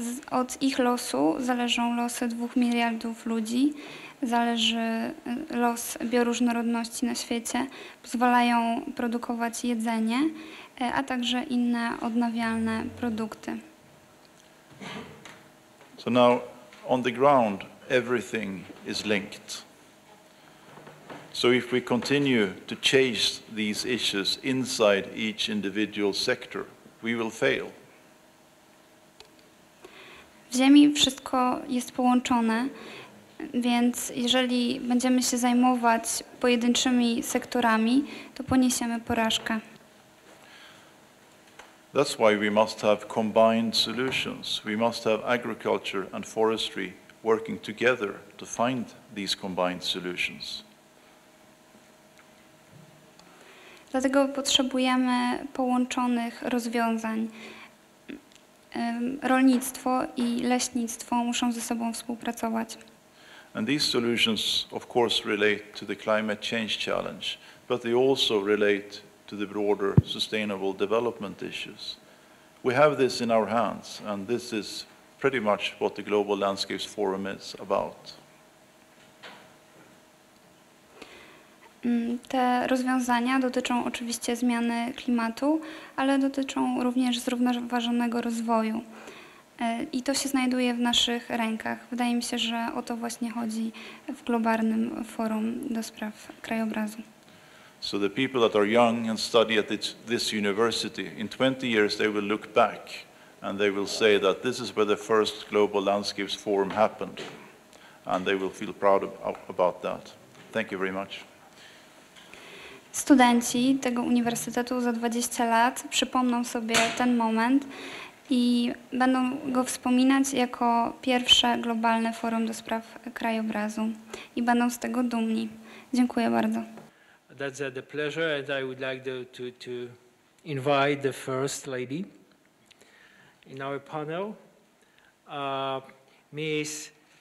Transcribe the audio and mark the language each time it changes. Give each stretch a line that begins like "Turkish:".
Polish: Od ich losu zależą losy 2 miliardów ludzi. Zależy los bioróżnorodności na świecie. Pozwalają produkować jedzenie, a także inne odnawialne produkty.
English: So now, on the ground, everything is linked. So if we continue to chase these issues inside each individual sector, we will fail.
Polish: W ziemi wszystko jest połączone, więc jeżeli będziemy się zajmować pojedynczymi sektorami, to poniesiemy porażkę.
English: That's why we must have combined solutions. We must have agriculture and forestry working together to find these combined solutions.
Polish: Dlatego potrzebujemy połączonych rozwiązań. Rolnictwo i leśnictwo muszą ze sobą współpracować.
English: And these solutions of course relate to the climate change challenge, but they also relate to the broader sustainable development issues. We have this in our hands, and this is pretty much what the Global Landscapes Forum is about.
Polish: Te rozwiązania dotyczą oczywiście zmiany klimatu, ale dotyczą również zrównoważonego rozwoju. I to się znajduje w naszych rękach. Wydaje mi się, że o to właśnie chodzi w globalnym forum do spraw krajobrazu.
English: So the people that are young and study at this university, in 20 years they will look back and they will say that this is where the first Global Landscapes Forum happened. And they will feel proud about that. Thank you very much.
Polish: Studenci tego uniwersytetu za 20 lat przypomną sobie ten moment i będą go wspominać jako pierwsze globalne forum do spraw krajobrazu i będą z tego dumni. Dziękuję bardzo.
English: That's the pleasure, and I would like to invite the first lady in our panel, Ms.